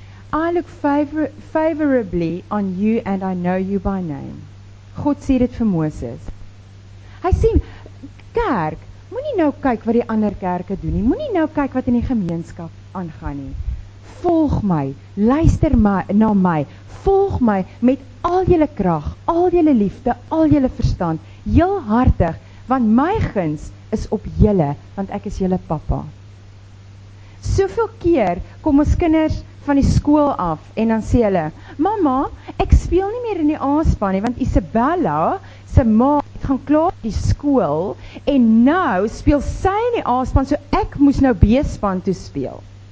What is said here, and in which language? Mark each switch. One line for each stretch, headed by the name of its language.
English: I look favorably on you and I know you by name.
Afrikaans: God sê dit vir Moses. Hy sê, kerk, moenie nou kyk wat die ander kerke doen nie, moenie nou kyk wat in die gemeenskap aangaan nie. Volg my, luister my, na my, volg my met al julle krag, al julle liefde, al julle verstand, heel hartig, want my guns is op julle, want ek is julle papa. Soveel keer kom ons kinders van die skool af en dan sê hulle, mama, ek speel nie meer in die aanspan nie, want Isabella, sy ma, het gaan klaar die skool en nou speel sy in die aanspan, so ek moes nou B-span toe speel.